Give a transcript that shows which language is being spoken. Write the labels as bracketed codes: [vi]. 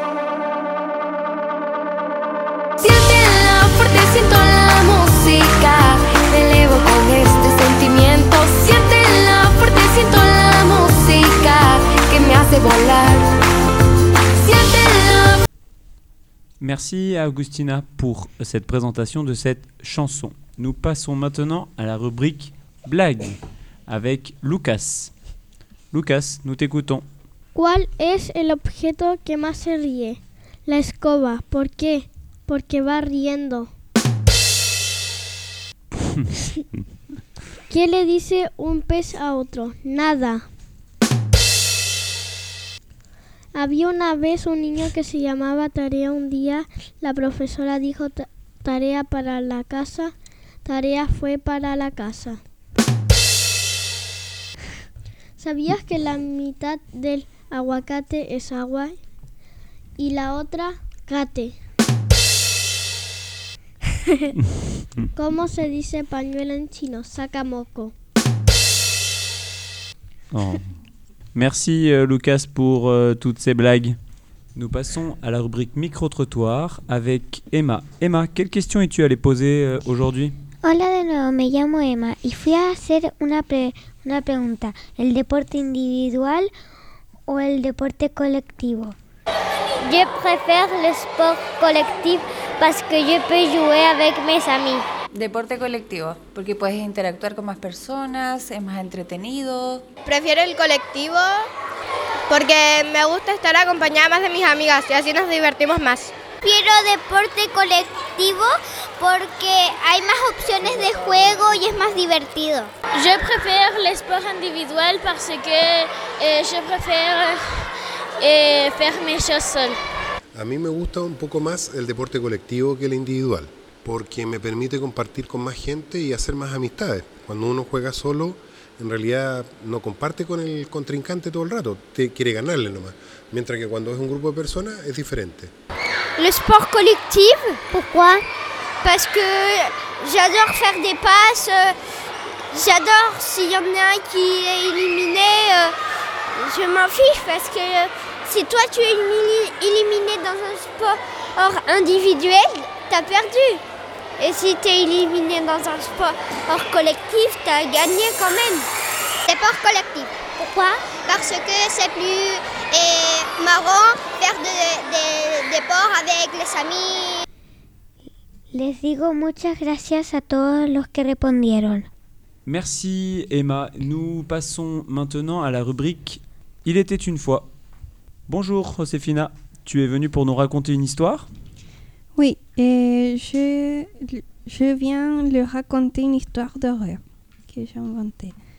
[es] Siente el fuerte, siento la música. Me elevo con este sentimiento. Siente el fuerte, siento la música que me hace volar. Siente el. [fr] Merci Agustina pour cette présentation de cette chanson. Nous passons maintenant à la rubrique blague. Avec Lucas. Lucas, nous t'écoutons. [es] ¿Cuál es el objeto que más se ríe? La escoba. ¿Por qué? Porque va riendo. ¿Qué le dice un pez a otro? Nada. Había una vez un niño que se llamaba Tarea. Un día la profesora dijo tarea para la casa, tarea fue para la casa. ¿Sabías que la mitad del aguacate es agua y la otra cate? ¿Cómo se dice pañuelo en chino? Saca moco. Oh. Merci Lucas pour toutes ces blagues. Nous passons à la rubrique micro-trottoir avec Emma. Emma, quelle question es-tu allée poser aujourd'hui? Hola de nuevo, me llamo Emma y fui a hacer una pregunta. ¿El deporte individual o el deporte colectivo? [fr] Je préfère le sport collectif parce que je peux jouer avec mes amis. [es] Deporte colectivo, porque puedes interactuar con más personas, es más entretenido. Prefiero el colectivo porque me gusta estar acompañada más de mis amigas y así nos divertimos más. Prefiero deporte colectivo porque hay más opciones de juego y es más divertido. [fr] Je préfère le sport individual parce que je préfère faire mes choses seul. [es] A mí me gusta un poco más el deporte colectivo que el individual, porque me permite compartir con más gente y hacer más amistades. Cuando uno juega solo, en realidad no comparte con el contrincante todo el rato, quiere ganarle nomás. Mientras que cuando es un grupo de personas, es diferente. [fr] Le sport collectif. Pourquoi? Parce que j'adore faire des passes, j'adore s'il y en a un qui est éliminé, je m'en fiche parce que si toi tu es éliminé dans un sport individuel, t'as perdu. Et si t'es éliminé dans un sport collectif, t'as gagné quand même. Sport collectif. Pourquoi? Parce que c'est plus marrant faire des sports avec les amis. [es] Les digo muchas gracias a todos los que respondieron. [fr] Merci Emma. Nous passons maintenant à la rubrique Il était une fois. Bonjour Josefina, tu es venue pour nous raconter une histoire? Oui, et je viens lui raconter une histoire d'horreur que j'ai inventée.